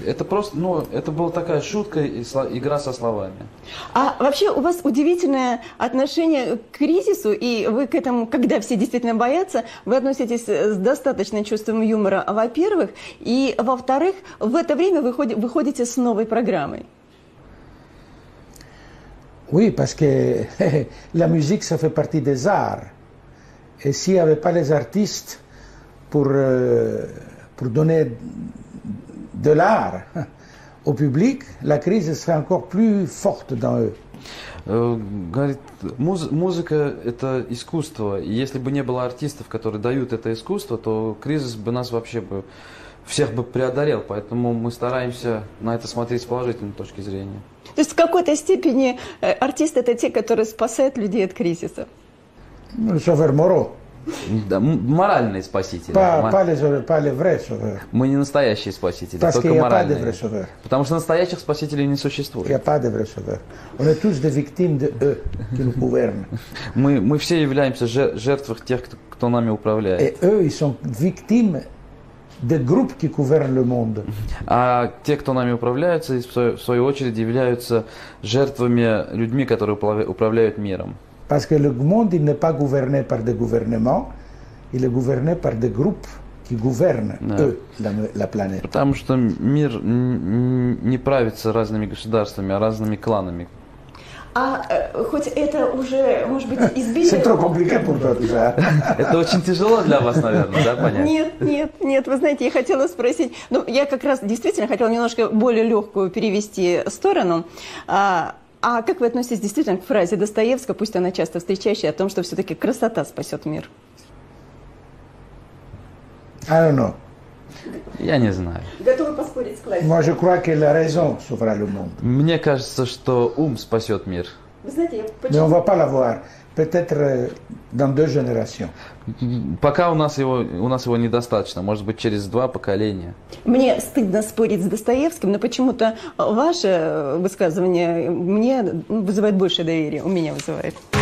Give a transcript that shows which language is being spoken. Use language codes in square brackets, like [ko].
[ru] Это просто, ну, это была такая шутка и игра со словами. А вообще у вас удивительное отношение к кризису, и вы к этому, когда все действительно боятся, вы относитесь с достаточным чувством юмора, во-первых, и во-вторых, в это время вы выходите с новой программой. [fr] Oui, parce que la musique, ça fait partie des arts. Et s'il n'y avait pas les artistes pour donner de l'art au public, la crise serait encore plus forte dans eux. [ru] Говорит, музыка – это искусство. И если бы не было артистов, которые дают это искусство, то кризис бы нас вообще бы всех бы преодолел. Поэтому мы стараемся на это смотреть с положительной точки зрения. То есть в какой-то степени артисты – это те, которые спасают людей от кризиса? Ну, шофер Моро. Да, моральные спасители. Мы не настоящие спасители, [fr] Parce [ru] только моральные. Потому что настоящих спасителей не существует. [fr] Я pas de vrai sauveur. On est tous des victimes de eux qui nous gouvernent. [ru] Мы все являемся жертвами тех, кто нами управляет. [fr] Et eux, ils sont victimes des groupes qui gouvernent le monde. [ru] А те, кто нами управляются, в свою очередь являются жертвами людьми, которые управляют миром. [fr] Parce que le monde il n'est pas gouverné par des gouvernements, il est gouverné par des groupes qui gouvernent eux la planète. [ru] Потому что мир не правится разными государствами, а разными кланами. А хоть это уже, может быть, избили. [fr] C'est trop compliqué pour toi, déjà. [ru] Это очень тяжело для вас, наверное, да, понятно? Нет. Вы знаете, я хотела спросить. Ну, я как раз действительно хотела немножко более легкую перевести сторону. А как вы относитесь действительно к фразе Достоевского, пусть она часто встречающая, о том, что все-таки красота спасет мир? [en] I don't know. [ru] Я не знаю. Готовы поспорить с классиком? [fr] Moi, je crois que la raison sauvera le monde. [ru] Мне кажется, что ум спасет мир. Вы знаете, я почему... [fr] Mais on va pas l'avoir. Peut-être dans deux générations. [ru] Пока у нас его недостаточно. Может быть, через два поколения. Мне стыдно спорить с Достоевским, но почему-то ваше высказывание мне вызывает больше доверия. У меня вызывает.